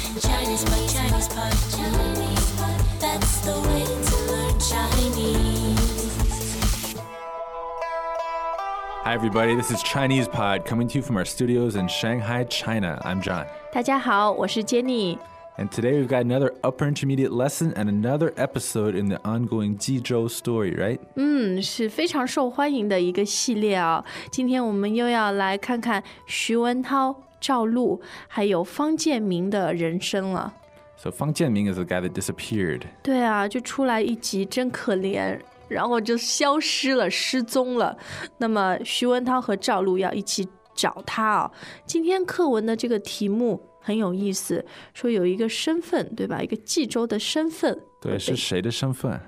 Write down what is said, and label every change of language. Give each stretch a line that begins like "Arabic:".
English: Chinese pod, Chinese pod, Chinese pod, that's the way to learn Chinese. Hi everybody, this is Chinese Pod coming to you from our studios in Shanghai, China. I'm John.
Chinese: 大家好，我是 Jenny。
English: And today we've got another upper intermediate lesson and another episode in the ongoing Jizhou story, right?
Chinese: 是非常受欢迎的一个系列哦。今天我们又要来看看徐文涛、赵露还有方建明的人生了。
English: So Fang Jianming is the guy that disappeared.
Chinese: 对啊，就出来一集真可怜，然后就消失了，失踪了。那么徐文涛和赵露要一起找他哦。今天课文的这个题目很有意思，说有一个身份，对吧？一个冀州的身份，对，是谁的身份